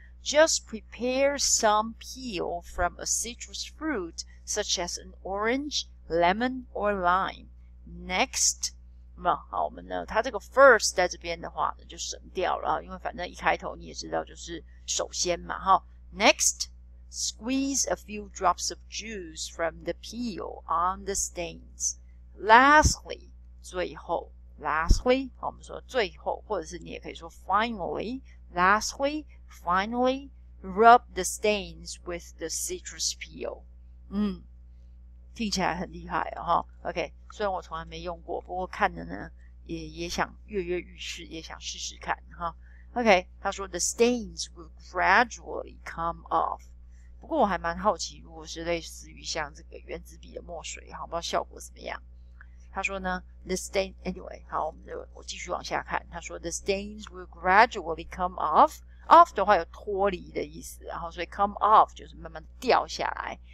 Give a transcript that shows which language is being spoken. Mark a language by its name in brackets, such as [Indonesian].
[English] Just prepare some peel from a citrus fruit such as an orange, lemon, or lime. Next。 [Chinese] 那好，我们呢它这个 first 在这边的话呢就省掉了，因为反正一开头你也知道就是首先嘛齁。 [English] Next, squeeze a few drops of juice from the peel on the stains. [Chinese] Lastly, 最后 ,lastly, 好，我们说最后，或者是你也可以说 finally, [English] rub the stains with the citrus peel. [Chinese] 嗯。听起来很厉害哦 ,OK, 虽然我从来没用过，不过看的呢也想跃跃欲试，也想试试看哈。 [English] OK, [Chinese] 他说 [English] the stains will gradually come off. [Chinese] 不过我还蛮好奇，如果是类似于像这个原子笔的墨水，好，不知道效果怎么样。他说呢 [English] the stain, anyway, [Chinese] 好，我继续往下看。他说 [English] the stains will gradually come off. [Chinese] Off 的话有脱离的意思，然后所以 come off 就是慢慢掉下来。